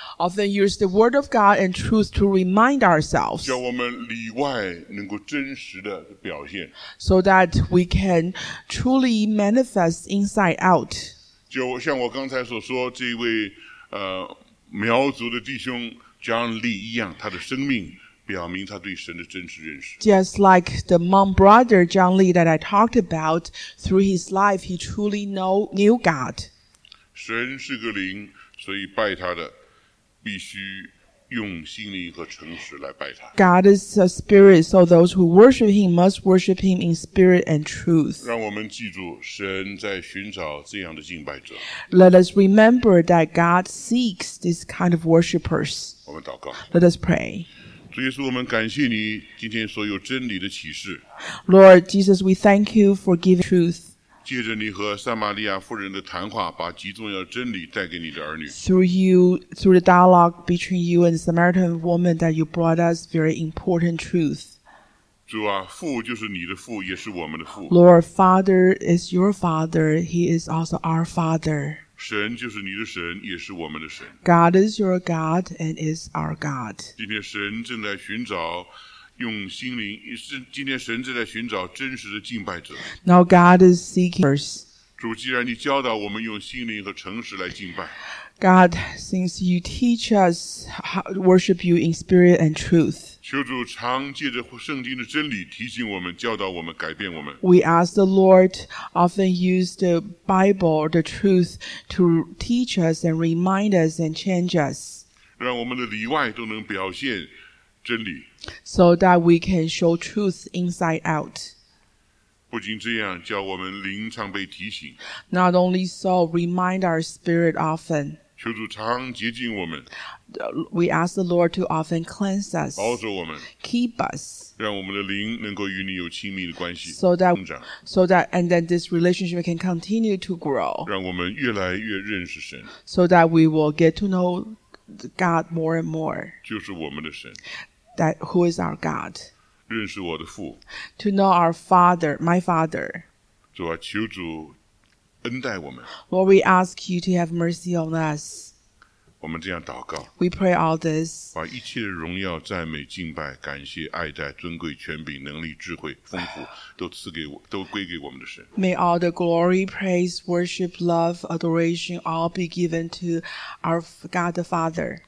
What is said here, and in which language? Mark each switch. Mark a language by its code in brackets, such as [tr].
[en] Often use the word of God and truth to remind ourselves. [zh] 叫我们里外能够真实的表现。 [en] So that we can truly manifest inside out. [zh] 就像我刚才所说，这位苗族的弟兄 John Lee 一样，他的生命表明他对神的真实认识。 [en] Just like the Hmong brother John Lee that I talked about, through his life, he truly knew God. [zh] 神是个灵，所以拜他的必须用心灵和诚实来拜他。 [en] God is a spirit, so those who worship him must worship him in spirit and truth. [zh] 让我们记住，神在寻找这样的敬拜者。 [en] Let us remember that God seeks this kind of worshippers. [zh] 我们祷告。 [en] Let us pray. [zh] 主耶稣，我们感谢你今天所有真理的启示。 [en] Lord Jesus, we thank you for giving truth. [zh] 借着你和撒玛利亚妇人的谈话，把极重要真理带给你的儿女。 [en] Through the dialogue between you and the Samaritan woman, that you brought us very important truth. [zh] 主啊，父就是你的父，也是我们的父。 [en] Lord, Father is your Father; He is also our Father. [zh] 神就是你的神，也是我们的神。 [en] God is your God and is our God. [zh] 今天神正在寻找。用心灵，今天神正在寻找真实的敬拜者。 [en] Now God is seekers. [zh] 主，既然你教导我们用心灵和诚实来敬拜。 [en] God, since you teach us how to worship you in spirit and truth. [zh] 求主常借着圣经的真理提醒我们，教导我们，改变我们。 [en] We ask the Lord often use the Bible or the truth to teach us and remind us and change us. [zh] 让我们的里外都能表现真理。 [en] So that we can show truth inside out. [zh] 不仅这样，叫我们灵常被提醒。 [en] Not only so, remind our spirit often. [zh] 求主常洁净我们。 [en] We ask the Lord to often cleanse us. [zh] 保守我们。 [en] Keep us. [zh] 让我们的灵能够与你有亲密的关系。 [en] So that this relationship can continue to grow. [zh] 让我们越来越认识神。 [en] So that we will get to know God more and more. [zh] 就是我们的神。 [en] That who is our God? [zh] 认识我的父。 [en] To know our Father, my Father. [zh] 主啊，求主恩待我们。 [en] Lord, we ask you to have mercy on us. [zh] 我们这样祷告。 [en] We pray all this. [zh] 把一切的荣耀、赞美、敬拜、感谢、爱戴、尊贵、权柄、能力、智慧、丰富，都赐给我，都归给我们的神。 [en] May all the glory, praise, worship, love, adoration all be given to our God the Father.